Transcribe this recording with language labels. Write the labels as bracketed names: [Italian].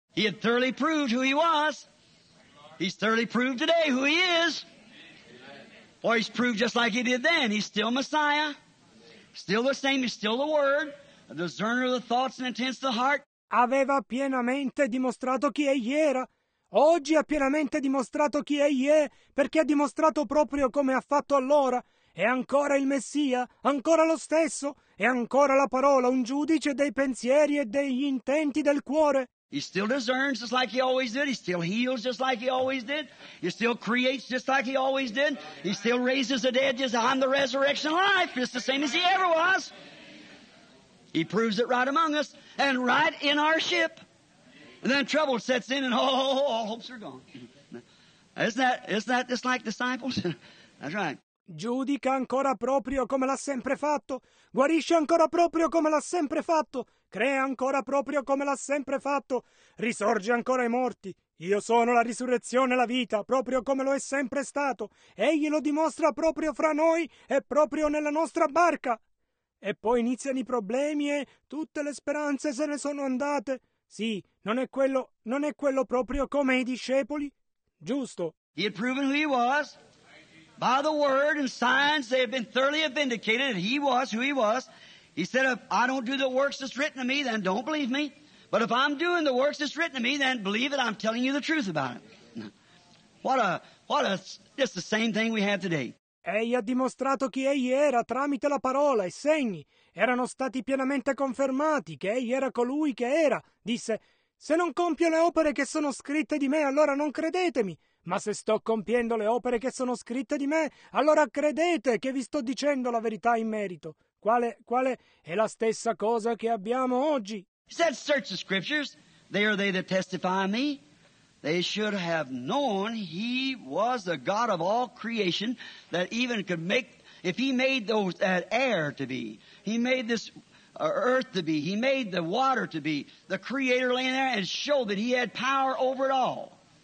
[English] He had thoroughly proved who he was. He's thoroughly proved today who he is. For he's proved just like he did then. He's still Messiah. Still the same. He's still the Word. A discerner of the thoughts and intents of the heart. [Italian] Aveva pienamente dimostrato chi egli era. Oggi ha pienamente dimostrato chi egli è, perché ha dimostrato proprio come ha fatto allora. È ancora il Messia, ancora lo stesso, è ancora la parola, un giudice dei pensieri e degli intenti del cuore. [English] He still discerns just like he always did. He still heals just like he always did. He still creates just like he always did. He still raises the dead just on the resurrection life, just the same as he ever was. He proves it right among us and right in our ship. And then trouble sets in and all hopes are gone. Isn't that just like disciples? That's right. [Italian] Giudica ancora proprio come l'ha sempre fatto. Guarisce ancora proprio come l'ha sempre fatto. Crea ancora proprio come l'ha sempre fatto. Risorge ancora ai morti. Io sono la risurrezione e la vita, proprio come lo è sempre stato. Egli lo dimostra proprio fra noi e proprio nella nostra barca. E poi iniziano i problemi e tutte le speranze se ne sono andate. Sì, non è quello proprio come i discepoli. Giusto. [English] He had proven who he was by the word and signs. They have been thoroughly vindicated that he was who he was. He said, if I don't do the works that's written to me, then don't believe me. But if I'm doing the works that's written to me, then believe it. I'm telling you the truth about it. What a, just the same thing we have today. [Italian] Egli ha dimostrato chi egli era tramite la parola e segni. Erano stati pienamente confermati che egli era colui che era. Disse, se non compio le opere che sono scritte di me, allora non credetemi. Ma se sto compiendo le opere che sono scritte di me, allora credete che vi sto dicendo la verità in merito. Quale è la stessa cosa che abbiamo oggi? [English] He said, search the scriptures. They are they that testify me. They should have known he was the God of all creation, that even could make, if he made those that air to be, he made this earth to be, he made the water to be, the creator laying there, and showed that he had power over it all.